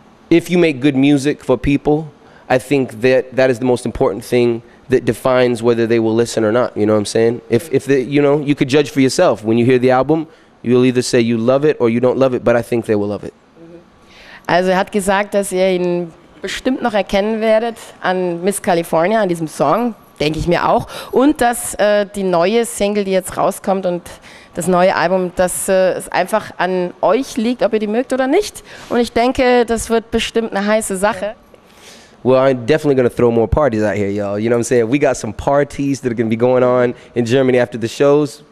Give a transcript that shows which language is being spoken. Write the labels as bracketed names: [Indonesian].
[English] If you make good music for people, I think that is the most important thing that defines whether they will listen or not. You know what I'm saying? You could judge for yourself. When you hear the album, you'll either say you love it or you don't love it, but I think they will love it. [German] Also er hat gesagt, dass ihr ihn bestimmt noch erkennen werdet an Miss California, an diesem Song, denke ich mir auch. Und dass die neue Single, die jetzt rauskommt und das neue Album, dass es einfach an euch liegt, ob ihr die mögt oder nicht. Und ich denke, das wird bestimmt eine heiße Sache. [English] Well, I'm definitely going to throw more parties out here, y'all. You know what I'm saying? We got some parties that are going to be going on in Germany after the shows.